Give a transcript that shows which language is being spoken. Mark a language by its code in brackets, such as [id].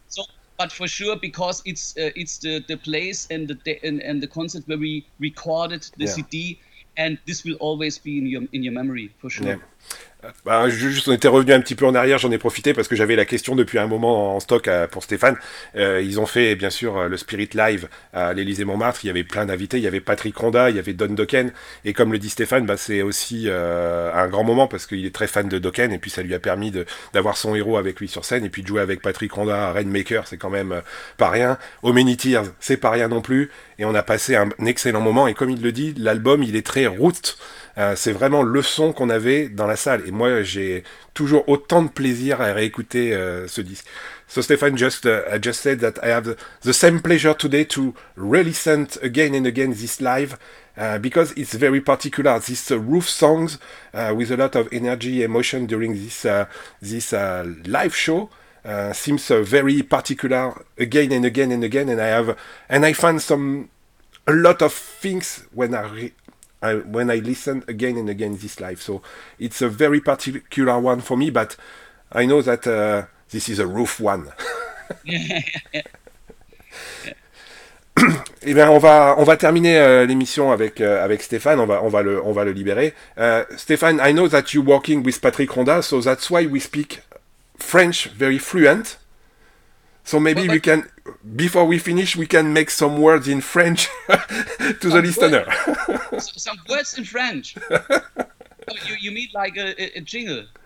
[en] So, but for sure, because it's the place and the concert where we recorded the CD, and this will always be in your memory for sure. Yeah. [fr] Juste, on était revenu un petit peu en arrière, j'en ai profité parce que j'avais la question depuis un moment en stock pour Stéphane. Ils ont fait bien sûr le Spirit Live à l'Élysée Montmartre, il y avait plein d'invités, il y avait Patrick Ronda, il y avait Don Dokken, et comme le dit Stéphane, bah, c'est aussi un grand moment parce qu'il est très fan de Dokken, et puis ça lui a permis d'avoir son héros avec lui sur scène, et puis de jouer avec Patrick Ronda à Rainmaker, c'est quand même pas rien. How Many Tears, c'est pas rien non plus, et on a passé un excellent moment, et comme il le dit, l'album il est très route. C'est vraiment le son qu'on avait dans la salle. Et moi, j'ai toujours autant de plaisir à réécouter ce disque. [en] So, Stéphane, I just said that I have the same pleasure today to re-listen again and again this live, because it's very particular. These roof songs with a lot of energy, emotion during this live show seems very particular again and again and again. And I find a lot of things when I listen again and again this live. So it's a very particular one for me, but I know that this is a roof one. [fr] Et bien, on va terminer l'émission avec Stéphane, on va le libérer. [en] Stéphane, I know that you're working with Patrick Ronda, so that's why we speak French very fluent. So maybe we can, before we finish, we can make some words in French to the listener. Some words in French. you mean like a jingle?